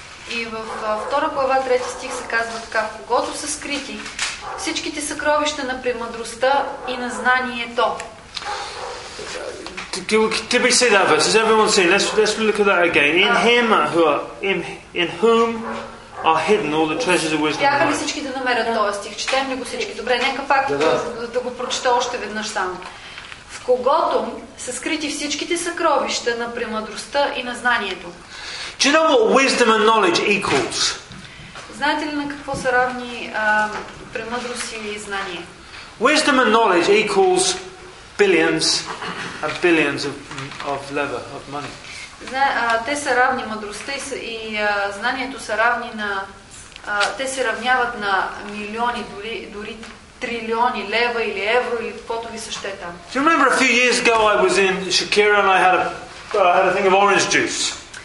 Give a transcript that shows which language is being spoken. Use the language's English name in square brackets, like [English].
[Bulgarian] И в втора глава, трети стих се казва така: в когото са скрити всичките съкровища на премъдростта и на знанието. [English] Did we say that verse? Has everyone seen? Let's look at that again. In him who are, in whom are hidden all the treasures of wisdom. [Bulgarian] Бяха ли всички да намерят този стих? Четем ли го всички? Добре, нека пак да го прочета още веднъж само. В когото са скрити всичките съкровища на премъдростта и на знанието. [English] Do you know what wisdom and knowledge equals? [Bulgarian] Знаете ли на какво са равни премъдрост и знание? [English] Wisdom and knowledge equals billions and billions of lever of money. [Bulgarian] Те са равни, мъдростта и знанието са равни на те се равняват на милиони, дори трилиони лева или евро или каквото ви съще там. [English] Do you remember a few years ago I was in Shakira and I had a thing of orange juice?